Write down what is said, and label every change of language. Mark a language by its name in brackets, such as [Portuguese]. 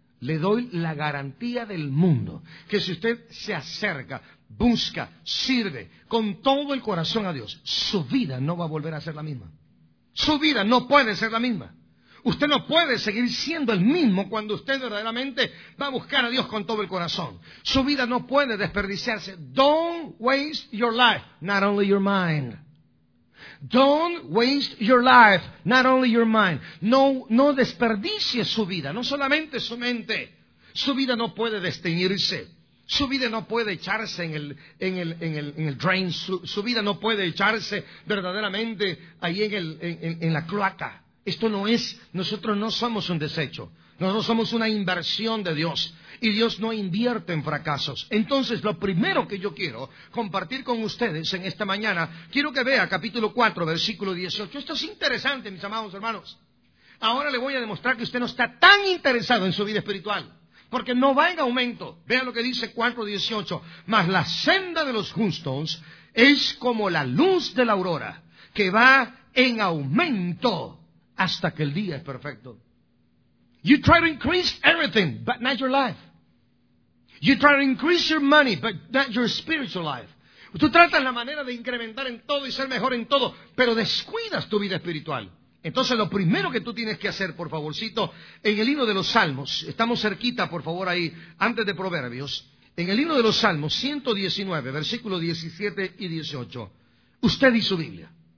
[Spanish] Le doy la garantía del mundo que si usted se acerca, busca, sirve con todo el corazón a Dios, su vida no va a volver a ser la misma. Su vida no puede ser la misma. Usted no puede seguir siendo el mismo cuando usted verdaderamente va a buscar a Dios con todo el corazón. Su vida no puede desperdiciarse. [English] Don't waste your life, not only your mind. Don't waste your life, not only your mind. [Spanish] No desperdicie su vida, no solamente su mente. Su vida no puede desteñirse. Su vida no puede echarse en el drain. Su vida no puede echarse verdaderamente ahí en la cloaca. Esto no es, nosotros no somos un desecho. Nosotros somos una inversión de Dios. Y Dios no invierte en fracasos. Entonces, lo primero que yo quiero compartir con ustedes en esta mañana, quiero que vea capítulo 4, versículo 18. Esto es interesante, mis amados hermanos. Ahora le voy a demostrar que usted no está tan interesado en su vida espiritual. Porque no va en aumento. Vea lo que dice 4:18. Mas la senda de los justos es como la luz de la aurora, que va en aumento hasta que el día es perfecto. [English] You try to increase everything, but not your life. You try to increase your money, but not your spiritual life. [Spanish] Tú tratas la manera de incrementar en todo y ser mejor en todo, pero descuidas tu vida espiritual. Entonces, lo primero que tú tienes que hacer, por favorcito, en el libro de los Salmos, estamos cerquita, por favor, ahí, antes de Proverbios, en el libro de los Salmos, 119, versículos 17 y 18, usted y su Biblia.